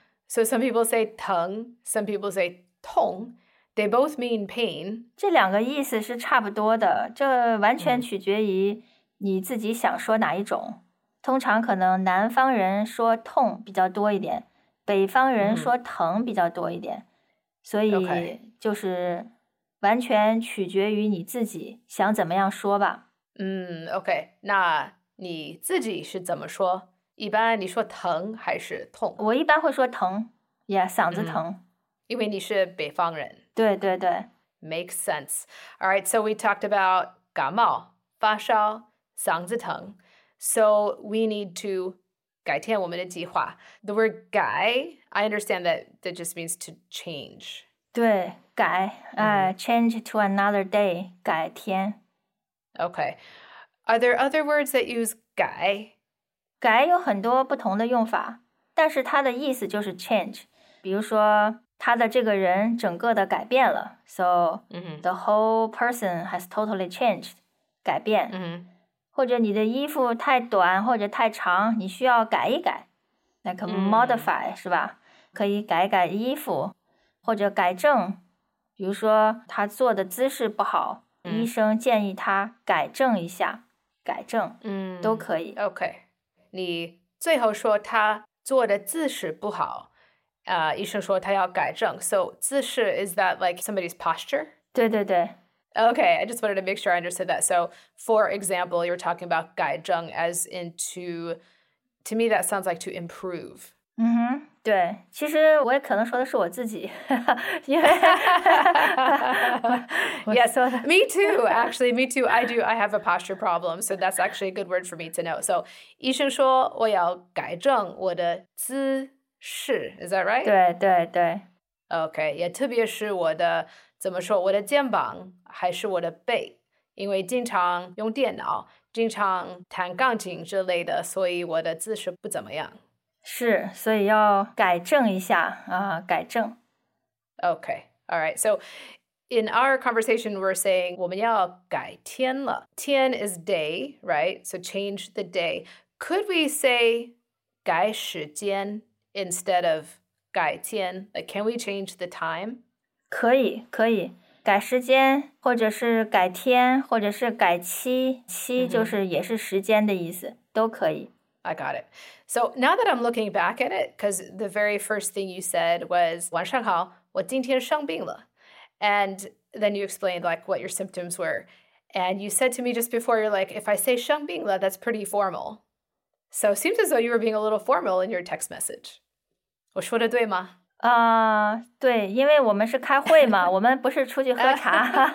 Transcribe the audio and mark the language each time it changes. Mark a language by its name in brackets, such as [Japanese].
[English] So some people say 疼, some people say 痛, they both mean pain. [Chinese] 这两个意思是差不多的,这完全取决于你自己想说哪一种。通常可能南方人说痛比较多一点，北方人说疼比较多一点，所以就是完全取决于你自己想怎么样说吧。 Okay, 那你自己是怎么说？一般你说疼还是痛？我一般会说疼，嗓子疼。因为你是北方人。对对对。 [English] Makes sense. All right, so we talked about 感冒、发烧、嗓子疼。 So we need to [Chinese] 改天我们的计划。 [English] The word 改, I understand that just means to change. [Chinese] 对,改, [English] change to another day, [Chinese] 改天。 [English] Okay. Are there other words that use 改? [Chinese] 改有很多不同的用法,但是它的意思就是 change。比如说,他的这个人整个的改变了。 [English] So the whole person has totally changed, 改变。 [Chinese] 或者你的衣服太短或者太长，你需要改一改 ， like modify 是吧？可以改改衣服，或者改正。比如说他坐的姿势不好，医生建议他改正一下，改正，都可以。 OK， 你最后说他坐的姿势不好，医生说他要改正。 [English] So 姿势 is that like somebody's posture？ [Chinese] 对对对。 [English] Okay, I just wanted to make sure I understood that. So, for example, you're talking about 改正 as in to me that sounds like to improve. [Chinese] 对,其实我也可能说的是我自己。因为 [English] yes, me too, actually, me too. I have a posture problem, so that's actually a good word for me to know. [Chinese] So, 医生说我要改正我的姿势, [English] is that right? [Chinese] 对,对,对。 Okay, 也特别是我的怎么说我的肩膀还是我的背，因为经常用电脑，经常弹钢琴之类的，所以我的姿势不怎么样。是，所以要改正一下啊，改正。 [English] Okay, all right. So In our conversation, we're saying [Chinese] 我们要改天了。 [English] 天 is day, right? So change the day. Could we say 改时间 instead of 改天? Like, can we change the time? [Chinese] 可以。改时间或者是改天或者是改期，期就是也是时间的意思，都可以。 [English] I got it. So now that I'm looking back at it, because the very first thing you said was [Chinese] 晚上好，我今天生病了。 [English] And then you explained like what your symptoms were. And you said to me just before, you're like, if I say 生病了, that's pretty formal. So it seems as though you were being a little formal in your text message. [Chinese] 我说的对吗? 对，因为我们是开会嘛， 我们不是出去喝茶。